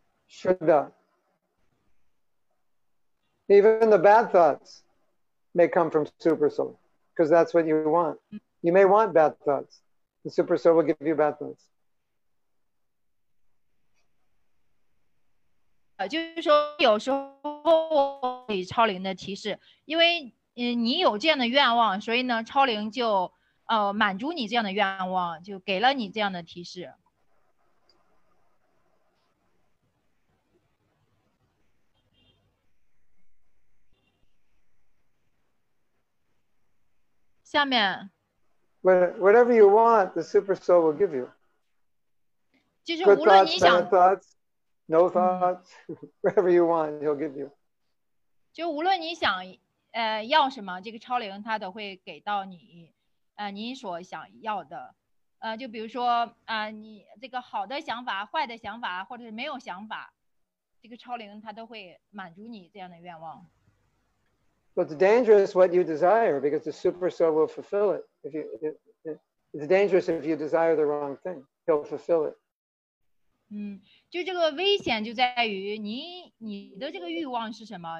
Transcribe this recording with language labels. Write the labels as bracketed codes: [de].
[en] Shuddha. Even the bad thoughts may come from super soul, because that's what you want. You may want bad thoughts. The super soul will give you bad thoughts. [zh] 就是说有时候给超灵的提示，因为你有这样的愿望，所以呢超灵就满足你这样的愿望，就给了你这样的提示。下面 [en] whatever you want, the super soul will give you. [zh] 就是无论你想 [en] good thoughts, bad thoughts, no thoughts, whatever you want, he'll give you. [zh] 就无论你想要什么，这个超灵他都会给到你你所想要的。就比如说你这个好的想法、坏的想法或者是没有想法，这个超灵他都会满足你这样的愿望。 [en] But it's dangerous what you desire because the super soul will fulfill it. It's dangerous if you desire the wrong thing. He'll fulfill it. [zh] 就这个危险就在于你的这个欲望是什么？